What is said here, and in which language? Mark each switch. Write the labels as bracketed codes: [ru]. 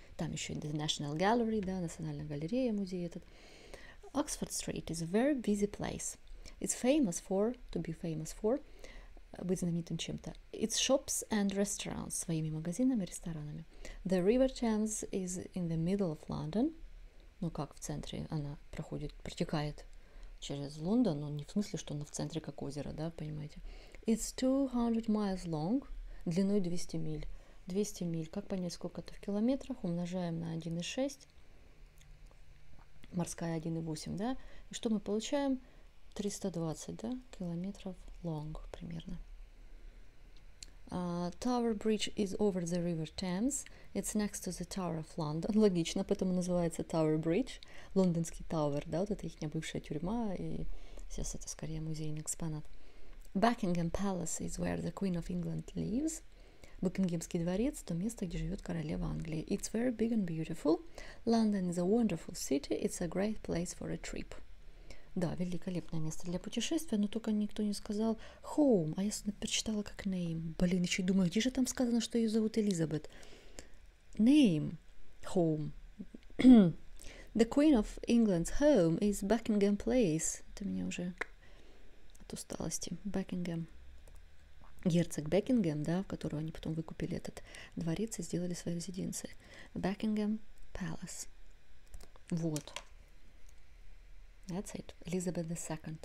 [ru] Там еще the National Gallery, да, Национальная галерея, музей этот. [en] Oxford Street is a very busy place. It's famous for, to be famous for, [ru] быть знаменитым чем-то. [en] It's shops and restaurants, [ru] своими магазинами, ресторанами. [en] The River Thames is in the middle of London. [ru] Ну как в центре, она проходит, протекает через Лондон, но не в смысле, что она в центре как озеро, да, понимаете. [en] It's 200 miles long, [ru] длиной 200 миль. 200 миль, как понять, сколько это в километрах, умножаем на 1,6. Морская 1,8, да? И что мы получаем? 320, да? [en] Километров long, примерно. Tower Bridge is over the River Thames. It's next to the Tower of London. [ru] Логично, поэтому называется [en] Tower Bridge. [ru] Лондонский Tower, да? Вот это их бывшая тюрьма. И сейчас это скорее музейный экспонат. [en] Buckingham Palace is where the Queen of England lives. [ru] Букингемский дворец – то место, где живет королева Англии. [en] It's very big and beautiful. London is a wonderful city. It's a great place for a trip. [ru] Да, великолепное место для путешествия, но только никто не сказал home. А я прочитала как name. Блин, еще и думаю, где же там сказано, что ее зовут Элизабет? [en] Name. Home. The Queen of England's home is Buckingham Place. [ru] Это меня уже от усталости. [en] Buckingham. [ru] Герцог Бекингем, да, в которого они потом выкупили этот дворец и сделали свою резиденцию. [en] Бекингем Палас. Вот. That's it. Elizabeth II.